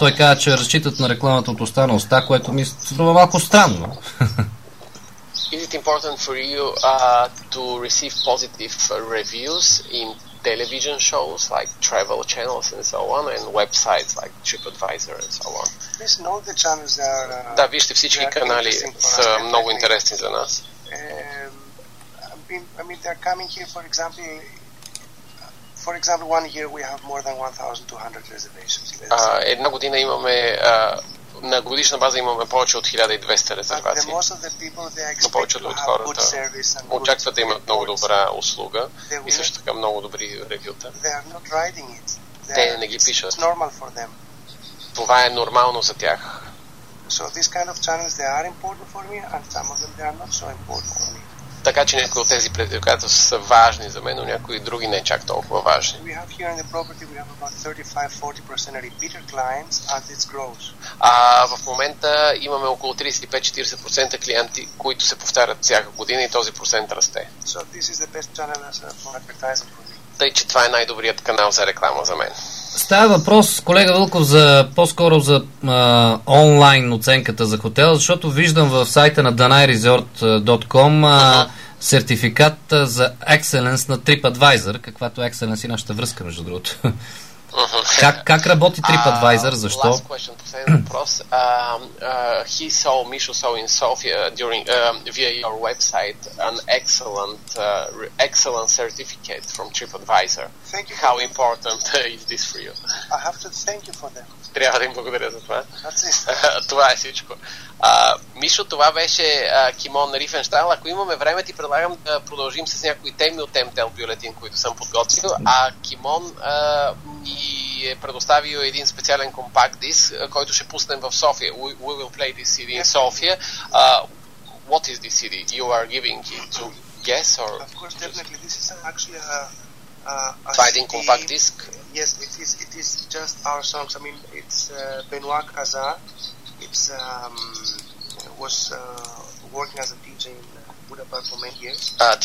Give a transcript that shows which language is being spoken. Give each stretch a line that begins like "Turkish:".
Bulgarian: Той каза, че разчитат на рекламата от уста на уста, което ми струва малко странно.
English: Is it important for you to receive positive reviews in television shows like Travel Channels and so on and websites like TripAdvisor and so on? Listen, all the channels are,
Bulgarian: да, вижте, всички канали са много интересни за нас.
English: I mean, they're coming here, for example, one year we have more than 1,200 reservations.
Bulgarian: Една година имаме, на годишна база имаме повече от 1200 резервации.
English: Most of the people, they expect,
Bulgarian: но повече от хората очакват да имат много добра услуга и също така много добри ревюта.
English: They are not writing it.
Bulgarian: Те не ги пишат.
English: It's normal for them.
Bulgarian: Това е нормално за тях.
English: So these kind of channels, they are important for me and some of them, they are not so important for me.
Bulgarian: Така че някои от тези предизвикателства са важни за мен, но някои други не чак толкова важни.
English: We have here in the property, we have about 35-40% repeater clients as it grows.
Bulgarian: В момента имаме около 35-40% клиенти, които се повтарят всяка година и този процент расте.
English: So this is the best channel for advertising for me.
Bulgarian: Тъй, че това е най-добрият канал за реклама за мен. Става въпрос, колега Вълков, за по-скоро за онлайн оценката за хотел, защото виждам в сайта на danairesort.com сертификат за Excellence на TripAdvisor, каквато Excellence и нашата връзка, между другото. Как работи TripAdvisor? Защо?
English: Last question,
Bulgarian: последен въпрос.
English: He saw, Мишо saw in Sofia during, via your website an excellent, excellent certificate from TripAdvisor. Thank you. How important is this for you? I have to thank you for that.
Bulgarian: Трябва да им благодаря за това.
English: That's it.
Bulgarian: Това е всичко. Мишо, това беше Кимон на Рифенштайл. Ако имаме време, ти предлагам да продължим с някои теми от MTL бюлетин, които съм подготвил. А Кимон ни е предоставил един специален компакт диск, който ще пуснем в София.
English: We will play this CD in Sofia. What is this CD? You are giving it to guests? Of course, definitely. This is actually fighting compact disc. Yes, it is just our songs. I mean, it's Benoit Cazar. It's was working as a DJ in Budapest for many years.